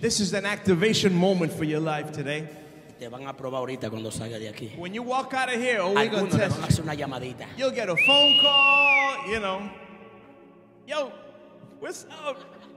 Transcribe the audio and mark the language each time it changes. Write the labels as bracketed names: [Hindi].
[English] This is an activation moment for your life today. [Spanish] Te van a probar ahorita cuando salga de aquí. [English] When you walk out of here, oh, we're gonna test. [Spanish] Van a hacer una llamadita. [English] You'll get a phone call, you know. Yo, what's up?